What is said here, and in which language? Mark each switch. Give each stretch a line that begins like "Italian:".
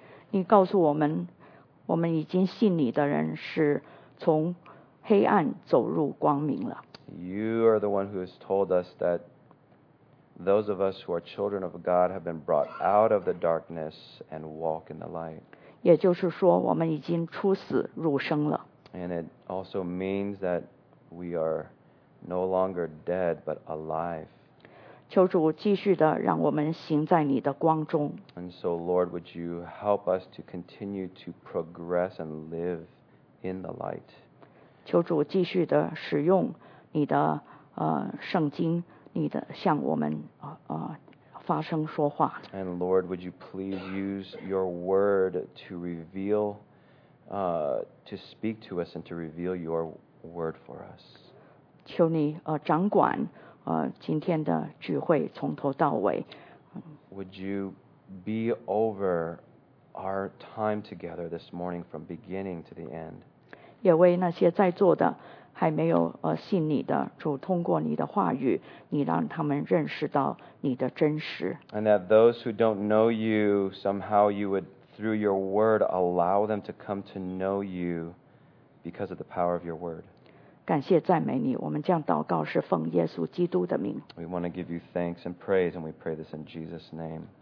Chinese: 你告诉我们，我们已经信你的人是从黑暗走入光明了。
English: You are the one who has told us that those of us who are children of God have been brought out of the darkness and walk in the light.
Chinese: 也就是说，我们已经出死入生了。
English: And it also means that we are no longer dead but alive.
Chinese: 求主继续的让我们行在你的光中。
English: And so, Lord, would you help us to continue to progress and live in the light?
Chinese: 求主继续的使用你的圣经，你的向我们发声说话。
English: And Lord, would you please use your word to reveal, to speak to us and to reveal your word for us?
Chinese: 求你掌管。今天的聚会从头到尾
English: Would you be over our time together this morning from beginning to the end?
Chinese: 也为那些在座的还没有信你的主通过你的话语你让他们认识到你的真实
English: And that those who don't know you somehow you would through your word allow them to come to know you because of the power of your word.
Chinese: 感谢赞美你，我们将祷告是奉耶稣基督的名。
English: We want to give you thanks and praise, and we pray this in Jesus' name.